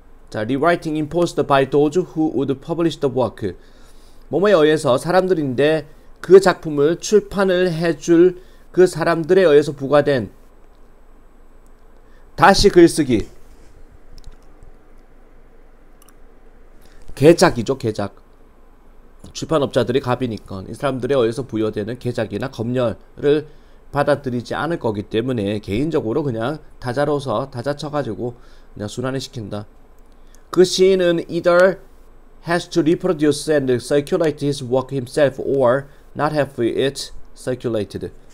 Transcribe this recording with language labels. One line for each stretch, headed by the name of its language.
English: 자, rewriting imposed by those who would publish the work.
Korean: 뭐뭐에 의해서 사람들인데 그 작품을 출판을 해줄 그 사람들에 의해서 부과된 다시 글쓰기. 개작이죠, 개작. 출판업자들이 갑이니까 이 사람들에 의해서 부여되는 개작이나 검열을 받아들이지 않을 거기 때문에 개인적으로 그냥 타자로서 타자 쳐가지고 그냥 순환을 시킨다. 그 시인은
English: either has to reproduce and circulate his work himself or not have it circulated.